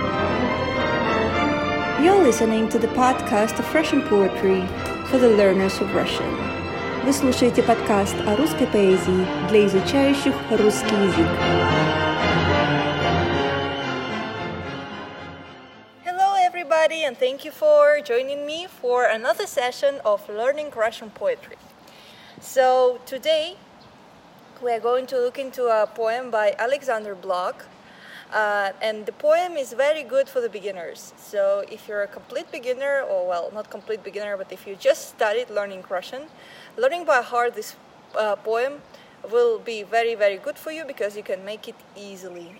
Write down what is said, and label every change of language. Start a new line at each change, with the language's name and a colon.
English: listening to the podcast of Russian Poetry for the Learners of Russian.
Russian: Вы слушаете подкаст о русской поэзии для изучающих русский язык.
English: Hello, everybody, and thank you for joining me for another session of Learning Russian Poetry. So, today we are going to look into a poem by Alexander Blok. And the poem is very good for the beginners. So if you're a complete beginner, or well, not complete beginner, but if you just started learning Russian, learning by heart this poem will be very, very good for you because you can make it easily.